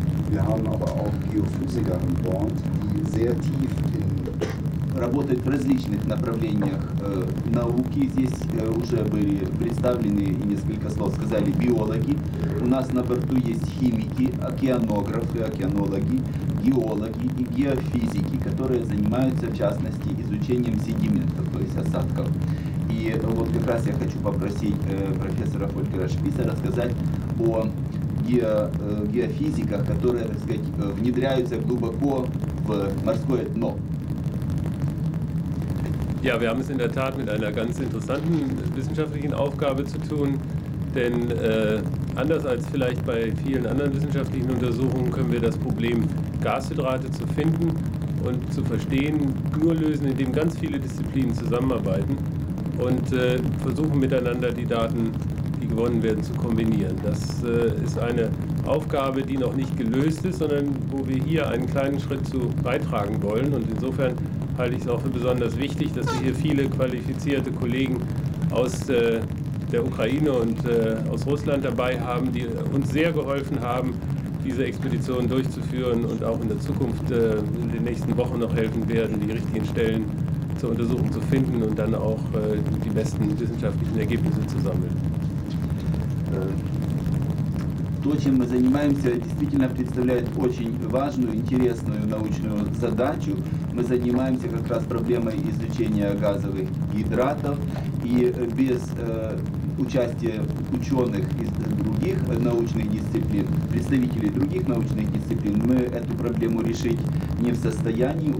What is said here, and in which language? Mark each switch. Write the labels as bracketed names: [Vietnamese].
[German] Wir haben aber auch Geophysiker an Bord, die sehr tief in [Russian] работают в различных направлениях науки. Здесь уже были представлены и несколько слов сказали биологи. У нас на борту есть химики, океанографы, океанологи, геологи и геофизики, которые занимаются в частности изучением седиментов, то есть осадков. И вот как раз я хочу попросить профессора Фолькера Шписа рассказать о геофизиках, которые, так сказать, внедряются глубоко морское дно. [German] Ja, wir haben es in der Tat mit einer ganz interessanten wissenschaftlichen Aufgabe zu tun, denn anders als vielleicht bei vielen anderen wissenschaftlichen Untersuchungen können wir das Problem, Gashydrate zu finden und zu verstehen, nur lösen, indem ganz viele Disziplinen zusammenarbeiten und versuchen miteinander die Daten, die gewonnen werden, zu kombinieren. Das ist eine Aufgabe, die noch nicht gelöst ist, sondern wo wir hier einen kleinen Schritt zu beitragen wollen. Und insofern halte ich es auch für besonders wichtig, dass wir hier viele qualifizierte Kollegen aus der Ukraine und aus Russland dabei haben, die uns sehr geholfen haben, diese Expedition durchzuführen und auch in der Zukunft in den nächsten Wochen noch helfen werden, die richtigen Stellen zur Untersuchung zu finden und dann auch die besten wissenschaftlichen Ergebnisse zu sammeln. [Russian] То, чем мы занимаемся, действительно представляет очень важную, интересную научную задачу. Мы занимаемся как раз проблемой изучения газовых гидратов. И без участия ученых из других научных дисциплин, представителей других научных дисциплин, мы эту проблему решить не в состоянии.